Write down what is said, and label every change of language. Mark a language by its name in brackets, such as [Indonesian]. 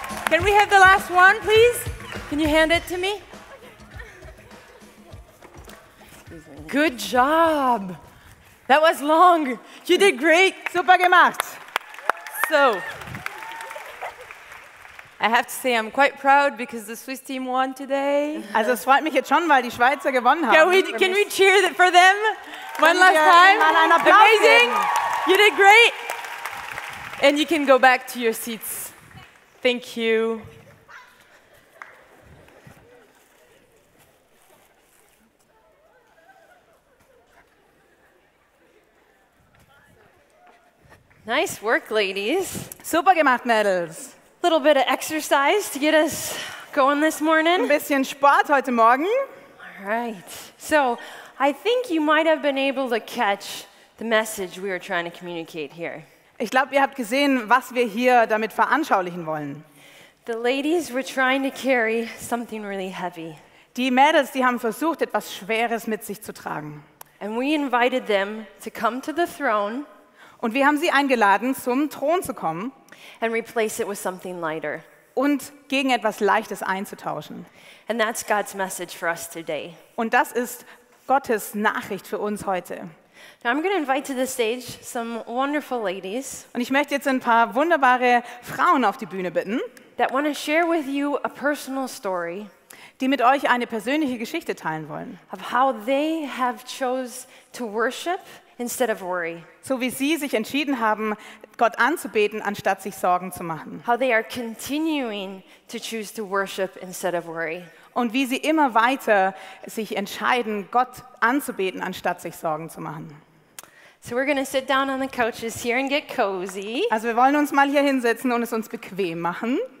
[English] Can we have the last one, please? Can you hand it to me? Good job. That was long. You did great. [German] Super gemacht. [English] So, I have to say I'm quite proud because the Swiss team won today. [German] Also es freut mich jetzt schon, weil die Schweizer gewonnen haben. [English] Can we cheer for them one last time? Amazing. You did great. And you can go back to your seats. Thank you. Nice work, ladies. [German] Super gemacht, Mädels. [English] Little bit of exercise to get us going this morning. [German] Ein bisschen Sport heute Morgen. [English] All right. So, I think you might have been able to catch the message we were trying to communicate here. [German] Ich glaube, ihr habt gesehen, was wir hier damit veranschaulichen wollen. [English] The ladies were trying to carry something really heavy. [German] Die Mädels, die haben versucht, etwas Schweres mit sich zu tragen. [English] And we invited them to come to the throne. [German] Und wir haben sie eingeladen, zum Thron zu kommen [English] and replace it with something lighter. [German] Und gegen etwas Leichtes einzutauschen. [English] And that's God's message for us today. [German] Und das ist Gottes Nachricht für uns heute. [English] Now I'm going to invite to the stage some wonderful ladies. [German] Und ich möchte jetzt ein paar wunderbare Frauen auf die Bühne bitten, [English] that want to share with you a personal story, [German] die mit euch eine persönliche Geschichte teilen wollen, [English] of how they have chose to worship instead of worry. [German] So wie sie sich entschieden haben, Gott anzubeten, anstatt sich Sorgen zu machen. [English] How they are continuing to choose to worship instead of worry. [German] Und wie sie immer weiter sich entscheiden, Gott anzubeten, anstatt sich Sorgen zu machen. [English] So we're gonna sit down on the couches here and get cozy. [German] Also wir wollen uns mal hier hinsetzen und es uns bequem machen.